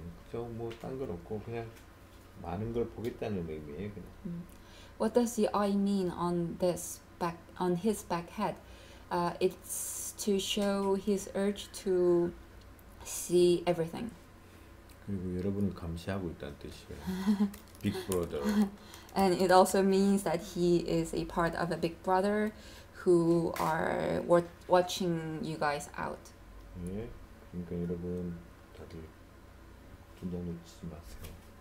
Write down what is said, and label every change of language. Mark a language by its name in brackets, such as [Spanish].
[Korean] 그냥 뭐 딴 건 없고 그냥 많은 걸 보겠다는 의미예요, 그냥. [English] What does the eye mean on this back on his back head? It's to show his urge to see everything. [Korean] 그리고 여러분을 감시하고 있다는 뜻이에요. [English] Big brother. And it also means that he is a part of a big brother who are watching you guys out. [Korean] 네, 그러니까 여러분 다들 긴장 놓치지 마세요.